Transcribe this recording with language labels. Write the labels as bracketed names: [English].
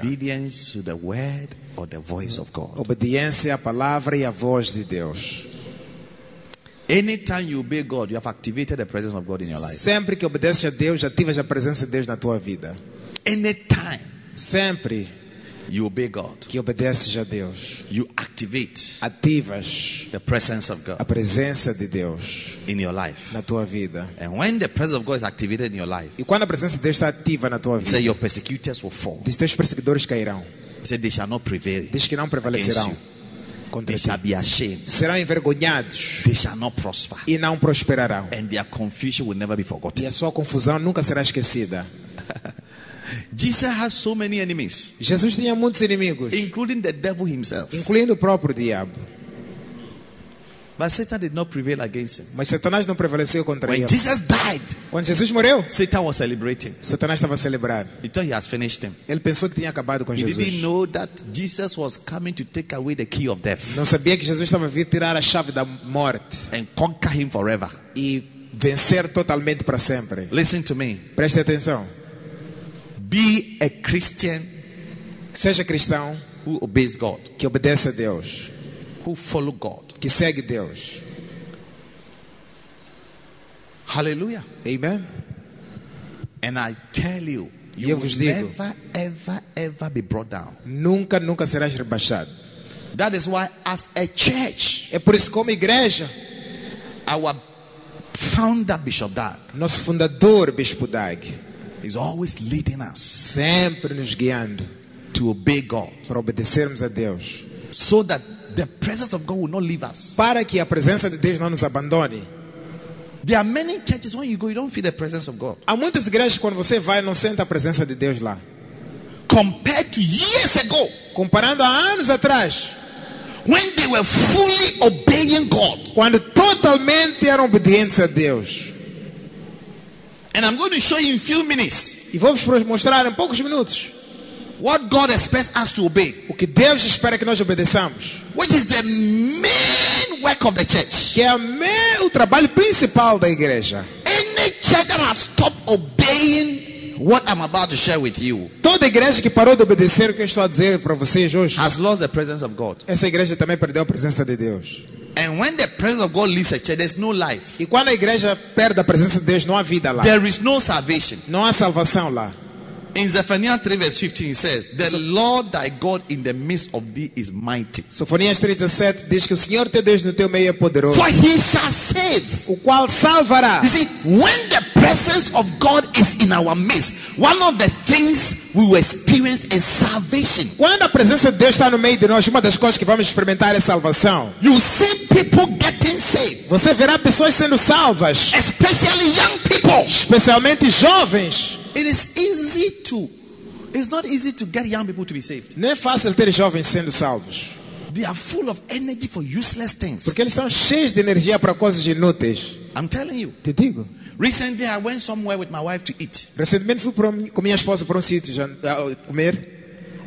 [English] Obedience to the word or the voice of God. [Portuguese] Obediência à palavra e à voz de Deus. [English] Anytime you obey God, you have activated the presence of God in your life. [Portuguese] Sempre que obedeces a Deus, ativas a presença de Deus na tua vida. [English] Anytime. [Portuguese] Sempre. [English] You obey God. [Portuguese] Que obedeces a Deus. [English] You activate. [Portuguese] Ativas [English] the presence of God. [Portuguese] A presença de Deus [English] in your life. [Portuguese] Na tua vida. [English] And when the presence of God is activated in your life. [Portuguese] E quando a presença de Deus está ativa na tua vida. [English] Say your persecutors will fall. [Portuguese] Diz teus perseguidores cairão. [English] Say they shall not prevail. [Portuguese] Diz que não prevalecerão. [English] They shall be ashamed. [Portuguese] Serão envergonhados. [English] They shall not prosper. [Portuguese] E não prosperarão. [English] And their confusion will never be forgotten. [Portuguese] E a sua confusão nunca será esquecida. [English] Jesus has so many enemies. [Portuguese] Jesus tinha muitos inimigos, [English] including the devil himself. [Portuguese] Incluindo o próprio diabo. [English] But Satan did not prevail against him. [Portuguese] Mas Satanás não prevaleceu contra [English] when [Portuguese] ele. [English] When Jesus died, [Portuguese] quando Jesus morreu, [English] Satan was celebrating. [Portuguese] Satanás estava celebrando. [English] He thought he has finished him. [Portuguese] Ele pensou que tinha acabado com [English] he [Portuguese] Jesus. [English] He didn't know that Jesus was coming to take away the key of death. [Portuguese] Não sabia que Jesus estava vindo tirar a chave da morte. [English] And conquer him forever. [Portuguese] E vencer totalmente para sempre. [English] Listen to me. [Portuguese] Preste atenção. [English] Be a Christian, [Portuguese] seja cristão, [English] who obeys God, [Portuguese] que obedece a Deus, [English] who follow God, [Portuguese] que segue Deus. [English] Hallelujah. [Portuguese] Amen. [English] And I tell you, [Portuguese] e eu vos digo, [English] never ever ever be brought down. [Portuguese] Nunca nunca serás rebaixado. [English] That is why as a church, [Portuguese] é por isso como igreja, [English] our founder Bishop Dag, [Portuguese] nosso fundador Bispo Dag, [English] is always leading us, [Portuguese] sempre nos guiando, [English] to obey God, [Portuguese] para obedecermos a Deus, [English] so that the presence of God will not leave us, [Portuguese] para que a presença de Deus não nos abandone. [English] There are many churches when you go, you don't feel the presence of God. [Portuguese] Há muitas igrejas quando você vai não sente a presença de Deus lá. [English] Compared to years ago, [Portuguese] comparando a anos atrás, [English] when they were fully obeying God, [Portuguese] quando totalmente eram obedientes a Deus. [English] And I'm going to show you in a few minutes. [Portuguese] E vou vos mostrar em poucos minutos. [English] What God expects us to obey. [Portuguese] O que Deus espera que nós obedeçamos. [English] Which is the main work of the church. [Portuguese] Que é o trabalho principal da igreja. [English] Any church that has stopped obeying what I'm about to share with you. [Portuguese] Toda igreja que parou de obedecer o que eu estou a dizer para vocês hoje. [English] Has lost the presence of God. [Portuguese] Essa igreja também perdeu a presença de Deus. [English] And when the presence of God leaves a church, there's no life. [Portuguese] E quando a igreja perde a presença de Deus, não há vida lá. [English] There is no salvation. [Portuguese] Não há salvação lá. [English] In Zephaniah 3 verse 15 it says, the Lord thy God in the midst of thee is mighty. [Portuguese] Sofonias 3 verse 17 diz que o Senhor teu Deus no teu meio é poderoso. [English] For he shall save. [Portuguese] O qual salvará. [English] You see, when the presence of God is in our midst, one of the things we will experience is salvation. [Portuguese] Quando a presença de Deus está no meio de nós, uma das coisas que vamos experimentar é salvação. [English] You see people getting saved. [Portuguese] Você verá pessoas sendo salvas. [English] Especially young people. [Portuguese] Especialmente jovens. [English] It is easy to, it's not easy to get young people to be saved. [Portuguese] Não é fácil ter jovens sendo salvos. [English] They are full of energy for useless things. [Portuguese] Porque eles estão cheios de energia para coisas inúteis. [English] I'm telling you. [Portuguese] Te digo. [English] Recently, I went somewhere with my wife to eat. [Portuguese] Recentemente fui para com minha esposa para sítio comer.